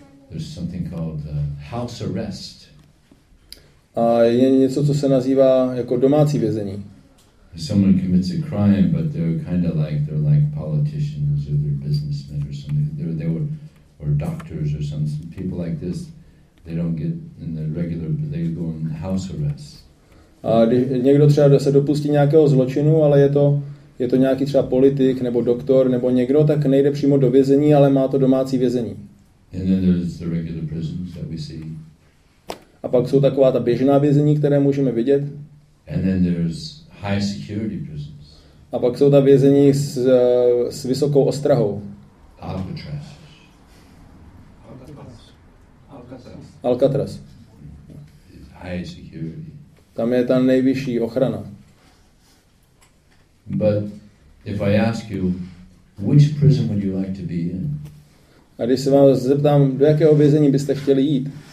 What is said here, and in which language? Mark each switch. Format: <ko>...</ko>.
<en>There's something called house arrest.</en> <cs>A je něco, co se nazývá jako domácí vězení.</cs> <en>Someone commits a crime, but they're like politicians or they're businessmen or something. Or doctors or something. People like this, they don't get in the regular, but they go in house arrest.</en> <cs>A když někdo třeba se dopustí nějakého zločinu, ale je to nějaký třeba politik nebo doktor nebo někdo, tak nejde přímo do vězení, ale má to domácí vězení.</cs> <en>And then there's the regular prisons that we see.</en> <cs>A pak jsou taková ta běžná vězení, které můžeme vidět.</cs> <en>And then there's high security prisons.</en> <cs>A pak jsou ta vězení s vysokou ostrahou.</cs> <en>Alcatraz. High security.</en> <cs>Tam je ta nejvyšší ochrana.</cs> <en>But if I ask you, which prison would you like to be in?</en> <cs>A když se vás zeptám, do jakého vězení byste chtěli jít?</cs>